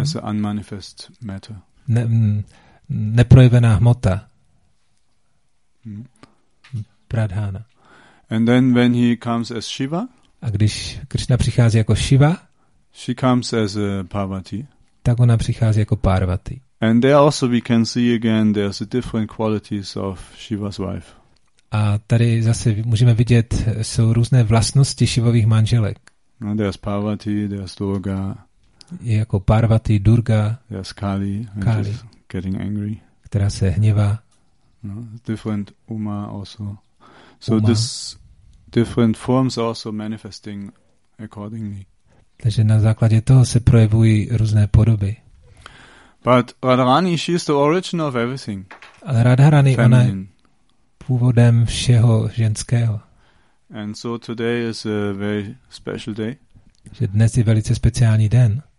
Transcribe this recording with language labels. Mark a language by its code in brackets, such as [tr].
[en] As unmanifest matter. [cs] Neprojevená hmota. [sa] Pradhana. [en] And then when he comes as Shiva. [cs] A když Krishna přichází jako Shiva. [en] She comes as Parvati. [cs] Tak ona přichází jako Parvati. [en] And there also we can see again there's a different qualities of Shiva's wife. [cs] A tady zase můžeme vidět, jsou různé vlastnosti Shivových manželek. [en] No, there's Parvati, there's Durga. [cs] Je jako Parvati, Durga. [en] There's Kali, Kali, which is getting angry. [cs] Která se hněvá. [en] No, different Uma also. So Uma. This different forms also manifesting accordingly. [cs] Takže na základě toho se projevují různé podoby. [en] But Radharani, she is the origin of everything. [cs] Ale Radharani, ona je původem všeho ženského. [en] And so today is a very special day. [cs] Že dnes je velice speciální den.